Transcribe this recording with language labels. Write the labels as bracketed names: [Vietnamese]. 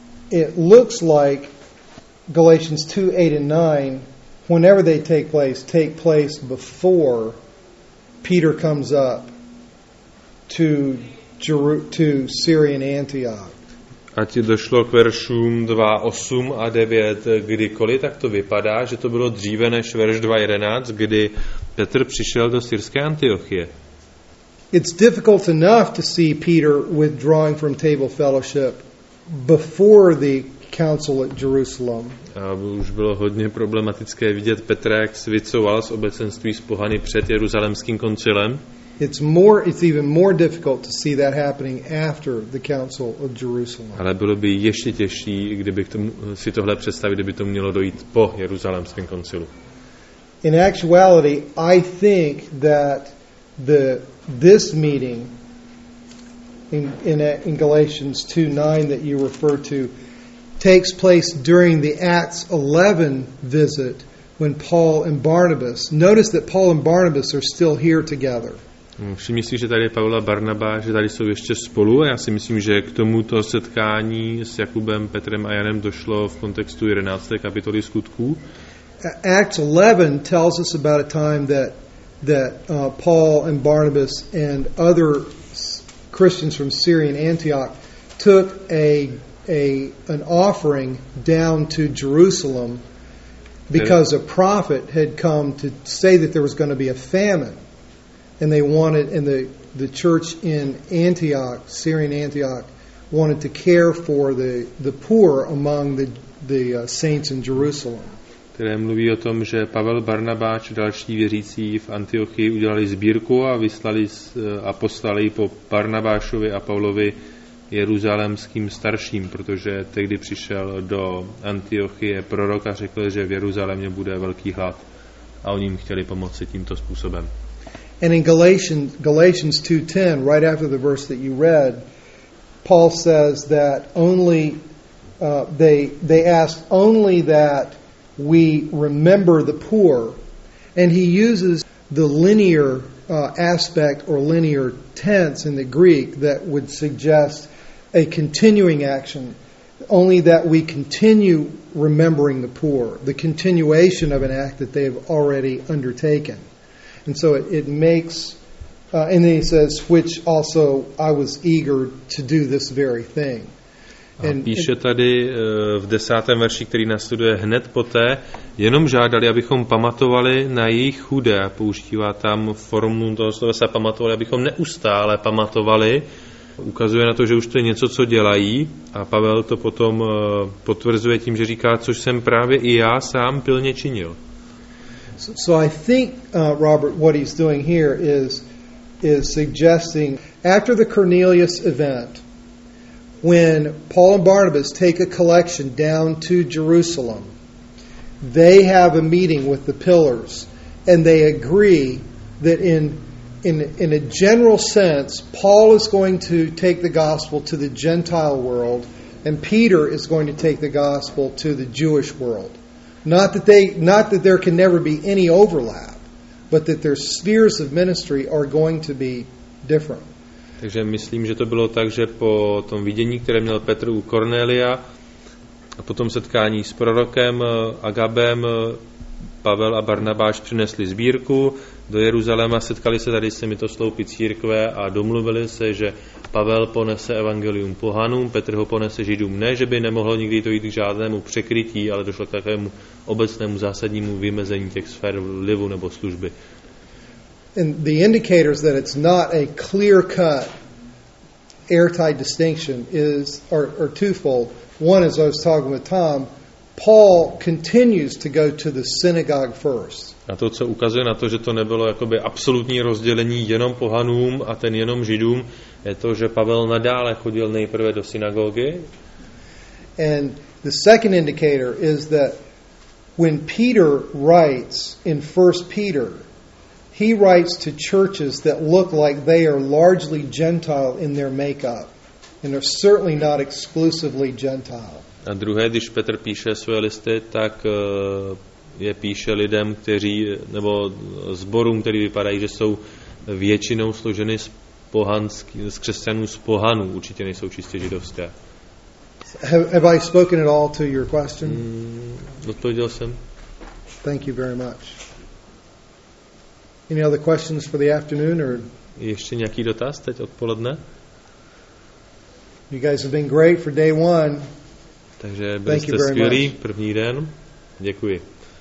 [English] It looks like Galatians 2, 8, and 9, whenever they take place before Peter comes up to Syria and Antioch. [Czech] A ti došlo k veršům 2, 8 a 9 kdykoliv, tak to vypadá, že to bylo dříve než verš 2, 11, kdy Petr přišel do syrské Antiochie. [English] It's difficult enough to see Peter withdrawing from table fellowship before the council at Jerusalem. [Czech] A už bylo hodně problematické vidět Petra, jak svicoval z obecenství s pohany před Jeruzalemským koncilem. [English] It's even more difficult to see that happening after the council of Jerusalem. [Czech] Ale bylo by ještě těžší, kdyby k tomu, si tohle představit, kdyby to mělo dojít po Jeruzalemském koncilu. [English] In actuality, I think that this meeting in Galatians 2:9 that you refer to takes place during the Acts 11 visit when Paul and Barnabas, notice that Paul and Barnabas are still here together. [Czech] Si myslím, že tady je Pavel a Barnabáš, že tady jsou ještě spolu, a já si myslím, že k tomuto setkání s Jakubem, Petrem a Janem došlo v kontextu 11. kapitoly Skutků. [English] Acts 11 tells us about a time that Paul and Barnabas and other Christians from Syria and Antioch took an offering down to Jerusalem because a prophet had come to say that there was going to be a famine, and they wanted, and the church in Antioch, Syrian Antioch, wanted to care for the poor among the saints in Jerusalem. [Czech] Které mluví o tom, že Pavel, Barnabáč a další věřící v Antiochii udělali sbírku a vyslali a poslali po Barnabášovi a Pavlovi jeruzalemským starším, protože tehdy přišel do Antiochie prorok a řekl, že v Jeruzalémě bude velký hlad, a oni jim chtěli pomoci tímto způsobem. [English] And in Galatians 2:10, right after the verse that you read, Paul says that only they asked only that we remember the poor, and he uses the linear aspect or linear tense in the Greek that would suggest a continuing action, only that we continue remembering the poor, the continuation of an act that they've already undertaken. And so it makes, and then he says, which also I was eager to do this very thing. [Czech] A píše tady v 10. verši, který následuje hned poté, jenom žádali, abychom pamatovali na jejich chudé. Používá tam formu toho slova se pamatovali, abychom neustále pamatovali. Ukazuje na to, že už to je něco, co dělají. A Pavel to potom potvrzuje tím, že říká, což jsem právě i já sám pilně činil. [English] So I think, Robert, what he's doing here is suggesting, after the Cornelius event, when Paul and Barnabas take a collection down to Jerusalem, they have a meeting with the pillars, and they agree that in a general sense, Paul is going to take the gospel to the Gentile world, and Peter is going to take the gospel to the Jewish world. Not that there can never be any overlap, but that their spheres of ministry are going to be different. [Czech] Takže myslím, že to bylo tak, že po tom vidění, které měl Petr u Kornélia, a potom setkání s prorokem Agabem, Pavel a Barnabáš přinesli sbírku do Jeruzaléma, setkali se tady s těmito sloupy církve a domluvili se, že Pavel ponese evangelium pohanům, Petr ho ponese židům. Ne, že by nemohlo nikdy dojít k žádnému překrytí, ale došlo k takovému obecnému zásadnímu vymezení těch sfér vlivu nebo služby. [English] And the indicators that it's not a clear-cut airtight distinction is are twofold. One is, I was talking with Tom, Paul continues to go to the synagogue first. [Czech] A to, co ukazuje na to, že to nebylo jakoby absolutní rozdělení jenom pohanům a ten jenom židům, je to, že Pavel nadále chodil nejprve do synagogy. [English] And the second indicator is that when Peter writes in 1 Peter, he writes to churches that look like they are largely Gentile in their makeup and are certainly not exclusively Gentile. [Czech] A druhé, když Petr píše své listy, tak je píše lidem, kteří, nebo sborům, který vypadají, že jsou většinou složeny z pohanský, z křesťanů z pohanů, určitě nejsou čistě židovské. [English] Have I spoken at all to your question? [Czech] Odpověděl jsem. [English] Thank you very much. Any other questions for the afternoon or? [Czech] Ještě nějaký dotaz teď odpoledne? [English] You guys have been great for day one. [Czech] Takže byli jste skvělí první den. Děkuji.